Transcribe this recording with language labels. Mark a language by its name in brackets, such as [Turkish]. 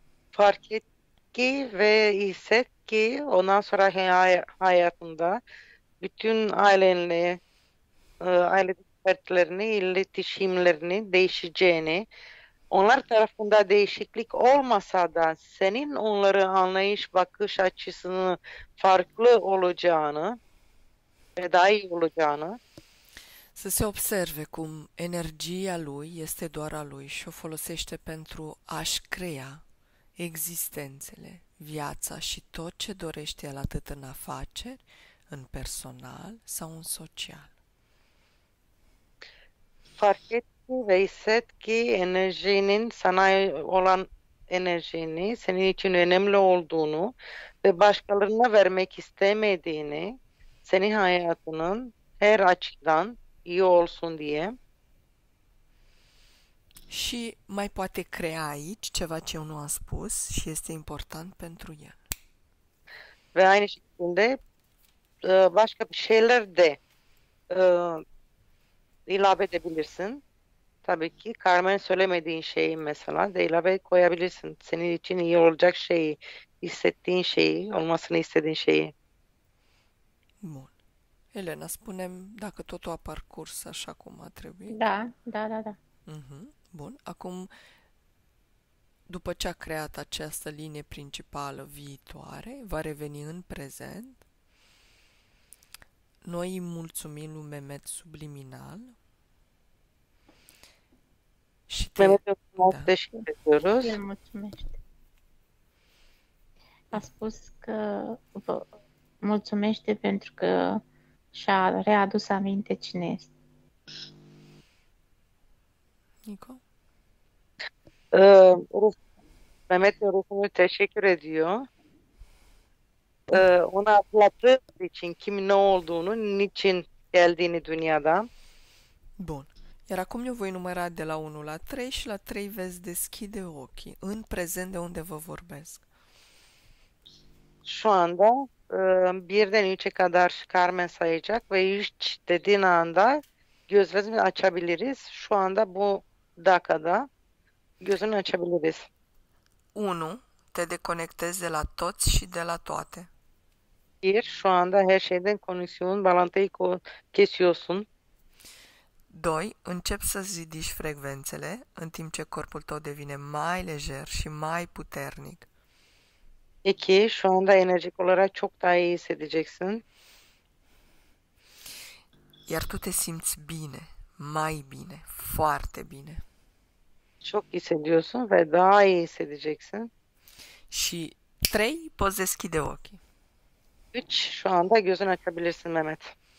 [Turkish] Fark et ki ve hisset ki ondan sonra hayatında bütün ailenle, aile fertlerini, iletişimlerini değişeceğini, onlar tarafında değişiklik olmasa da senin onları anlayış bakış açısının farklı olacağını ve daha iyi olacağını. [Romanian] Să se observe cum energia lui este doar a lui și o folosește pentru a-și crea existențele, viața și tot ce dorește el, atât în afaceri, în personal sau în social. [Turkish] Fark et ve hisset ki enerjinin sana olan enerjini senin için önemli olduğunu ve başkalarına vermek istemediğini, senin hayatının her açıdan iyi olsun diye. [Romanian] Și mai poate crea aici ceva ce eu nu am spus și este important pentru el. [German] Wer eine Stunde Waschkeller [Turkish] de ilave de bilirsin tabii ki Carmen söylemediğin şeyi mesela de ilave koyabilirsin. Senin için iyi olacak şeyi, hissettiğin şeyi, olmasını istediğin şeyi. [Romanian] Bun. Elena, spunem dacă totul a parcurs așa cum a trebuit. Da. Bun. Acum, după ce a creat această linie principală viitoare, va reveni în prezent. Noi îi mulțumim lui Mehmet subliminal. Și te... Mehmet Da. frumoase și prețios. Mulțumesc. A spus că vă mulțumește pentru că și-a readus aminte cine este. Nico? [Turkish] Mehmet ruhunu teşekkür ediyor. Ona hatırlattığı için kim ne olduğunu, niçin geldiğini dünyadan. [Romanian] Bun. Iar acum eu voi număra de la 1 la 3 și la 3 veți deschide ochii în prezent de unde vă vorbesc. [Turkish] Şu anda birden üçe kadar Carmen sayacak ve üç dediğin anda gözlerimizi açabiliriz. Şu anda bu dakikada gözünü açabiliriz. [Romanian] 1. Te deconectezi de la toți și de la toate. [Turkish] Bir, şu anda her şeyden konuşuyorsun, bağlantıyı kesiyorsun. [Romanian] 2. Încep să zidiști frecvențele în timp ce corpul tău devine mai lejer și mai puternic. [Turkish] 2. Şu anda enerjik olarak çok daha iyi hissedeceksin. [Romanian] Iar tu te simți bine, mai bine, foarte bine. [Turkish] Çok iyi hissediyorsun ve daha iyi hissedeceksin. [Romanian] Și 3, poți deschide ochii. [Turkish] 3. Şu anda gözünü açabilirsin Mehmet.